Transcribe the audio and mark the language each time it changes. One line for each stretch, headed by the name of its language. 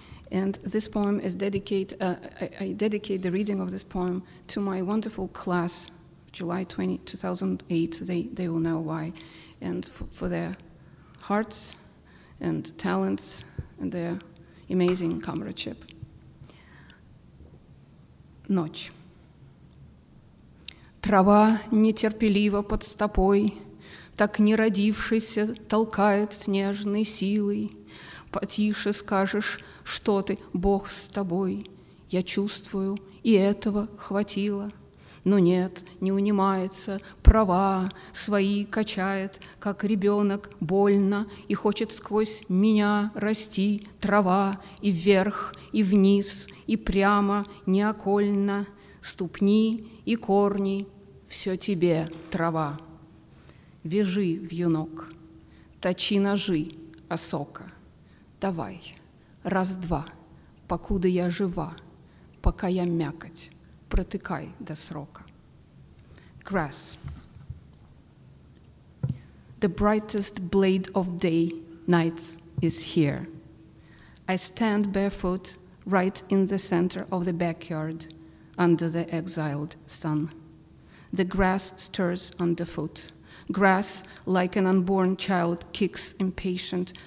English: And this poem is I dedicate the reading of this poem to my wonderful class, July 20, 2008. They will know why. And for their hearts and talents and their amazing comradeship.
Russian: Ночь. Трава нетерпеливо под стопой, так не родившийся толкает снежной силой. Потише скажешь, что ты, Бог с тобой. Я чувствую, и этого хватило. Но нет, не унимается, права свои качает, как ребенок, больно, и хочет сквозь меня расти трава и вверх, и вниз, и прямо, неокольно, ступни и корни, все тебе трава. Вяжи, вьюнок, точи ножи, осока. Давай, раз-два, покуда я жива, пока я мякоть, протыкай до срока.
English: Grass. The brightest blade of day, night, is here. I stand barefoot right in the center of the backyard under the exiled sun. The grass stirs underfoot. Grass, like an unborn child, kicks impatient.